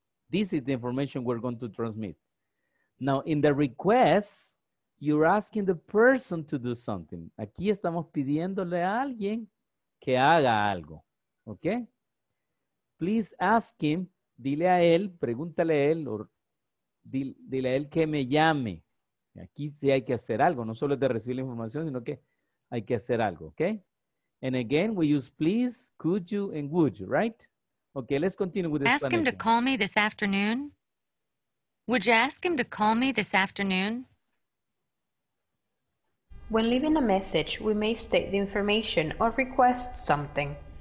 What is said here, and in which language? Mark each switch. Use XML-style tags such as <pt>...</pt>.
<en>This is the information we're going to transmit. Now, in the request, you're asking the person to do something.</en> <es>Aquí estamos pidiéndole a alguien que haga algo, ¿ok?</es> <en>Please ask him,</en> <es>dile a él, pregúntale a él, or dile a él que me llame. Aquí sí hay que hacer algo, no solo es de recibir la información, sino que hay que hacer algo, okay?</es> <en>And again, we use please, could you, and would you, right? Okay, let's continue with this. Ask him to call me this afternoon. Would you ask him to call me this afternoon? When leaving a message, we may state the information or request something.</en>